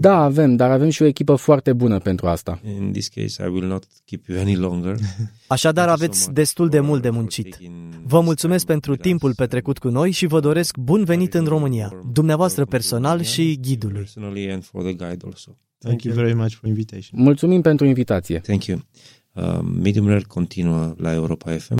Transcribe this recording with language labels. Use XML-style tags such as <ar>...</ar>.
<ro>Da, avem, dar avem și o echipă foarte bună pentru asta.</ro> <en>In this case, I will not keep you any longer.</en> <ro>Așadar, aveți destul de mult de muncit. Vă mulțumesc pentru timpul petrecut cu noi și vă doresc bun venit în România, dumneavoastră personal și ghidului.</ro> <en>Personally and for the guide also. Thank you very much for invitation.</en> <ro>Mulțumim pentru invitație.</ro> <en>Thank you.</en> <ro>Medium Rare continuă la Europa FM.</ro>